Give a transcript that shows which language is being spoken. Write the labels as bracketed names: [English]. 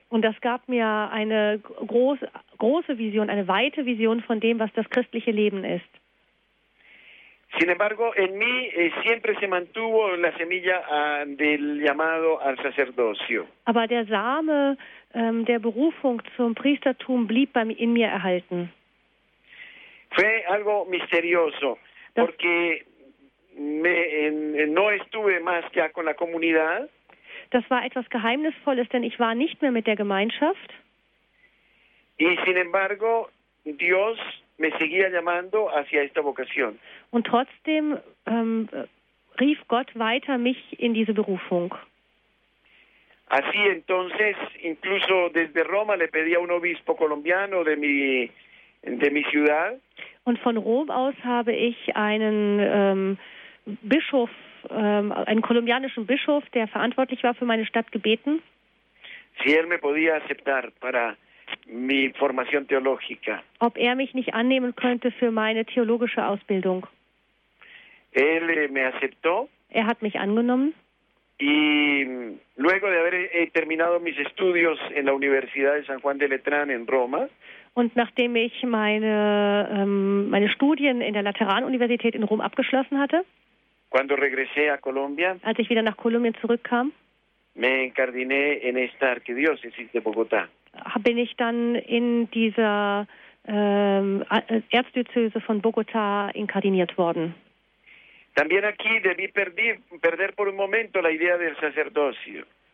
[German] Und das gab mir eine große Vision, eine weite Vision von dem, was das christliche Leben ist. [Spanish] Sin embargo, en mí siempre se mantuvo la semilla del llamado al sacerdocio. [German] Aber der Same der Berufung zum Priestertum blieb in mir erhalten. [Spanish] Fue algo misterioso, porque no estuve más ya con la comunidad. [German] Das war etwas Geheimnisvolles, denn ich war nicht mehr mit der Gemeinschaft. [Spanish] Y sin embargo, Dios me seguía llamando hacia esta vocación. [German] Und trotzdem rief Gott weiter mich in diese Berufung. [Spanish] Así entonces, incluso desde Roma le pedí a un obispo colombiano de mi ciudad. [German] Und von Rom aus habe ich einen Bischof, einen kolumbianischen Bischof, der verantwortlich war für meine Stadt, gebeten. [Spanish] Si él me podía aceptar para mi formación teológica. [German] Ob er mich nicht annehmen könnte für meine theologische Ausbildung. [Spanish] Él me aceptó. [German] Er hat mich angenommen. [Spanish] Y luego de haber terminado mis estudios en la Universidad de San Juan de Letrán en Roma. [German] Und nachdem ich meine Studien in der Lateranuniversität in Rom abgeschlossen hatte. [Spanish] Cuando regresé a Colombia. [German] Als ich wieder nach Kolumbien zurückkam. [Spanish] Me encardiné en esta arquidiócesis de Bogotá. [German] Bin ich dann in dieser Erzdiözese von Bogotá inkardiniert worden. [Spanish] También aquí debí perder por un momento la idea del sacerdocio.